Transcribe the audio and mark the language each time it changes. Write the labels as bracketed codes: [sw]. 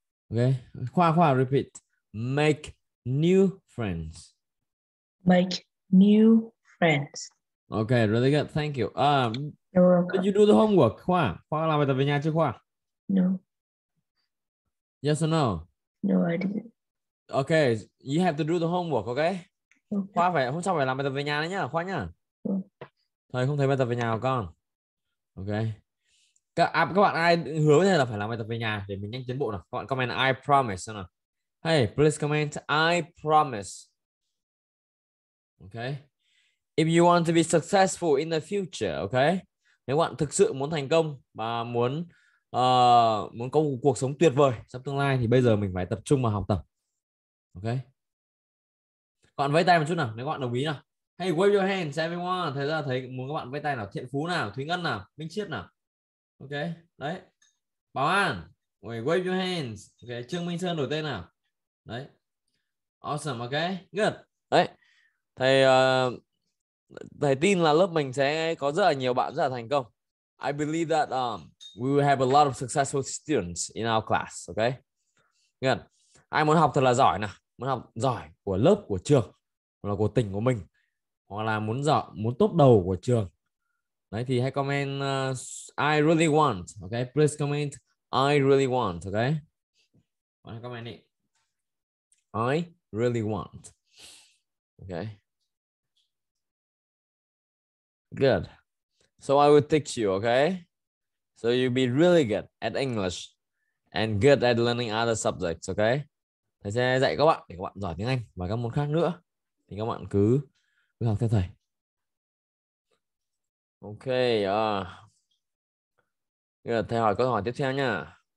[en] Okay, Khoa, repeat. Make new friends. Make new friends. Okay, really good. Thank you. welcome. Did you do the homework, Khoa? [vi] Khoa làm bài tập về nhà chưa, Khoa? [en] No. Yes or no? No, I didn't. Okay, you have to do the homework, okay? Okay. [vi] Khoa phải, hôm sau phải làm bài tập về nhà đấy nhá, Khoa nhá. Thầy không thấy bài tập về nhà của con. Okay. Các bạn ai hứa với thầy là phải làm bài tập về nhà để mình nhanh tiến bộ nào. Các bạn comment [en] I promise [vi] nào. [en] Hey, please comment I promise. Okay. If you want to be successful in the future, okay? [vi] Nếu bạn thực sự muốn thành công và muốn muốn có một cuộc sống tuyệt vời trong tương lai thì bây giờ mình phải tập trung vào học tập. Okay? Các bạn vẫy tay một chút nào, nếu các bạn đồng ý nào. [en] Hey, wave your hands everyone. [vi] Thế ra thấy muốn các bạn vẫy tay nào. Thiện Phú nào, Thúy Ngân nào, Minh Chiết nào. Ok, đấy. [en] Bảo An, wave your hands. Ok, Trương Minh Sơn đổi tên nào. Đấy. Awesome, ok. Good. Đấy. [vi] Thầy thầy tin là lớp mình sẽ có rất là nhiều bạn rất là thành công. [en] I believe that we will have a lot of successful students in our class, ok. Good. [vi] Ai muốn học thật là giỏi nào. Muốn học giỏi của lớp, của trường, hoặc là của tỉnh của mình, hoặc là muốn giỏi, muốn top đầu của trường. Đấy thì hãy comment [en] I really want, ok. Please comment I really want, ok. [vi] Bạn hãy comment đi. [en] I really want. Ok. Good. So I will teach you, okay? So you'll be really good at English and good at learning other subjects, okay? [vi] Thầy sẽ dạy các bạn để các bạn giỏi tiếng Anh và các môn khác nữa. Thì các bạn cứ học theo thầy. [en] Okay. [vi] Good. Thầy hỏi câu hỏi tiếp theo nha.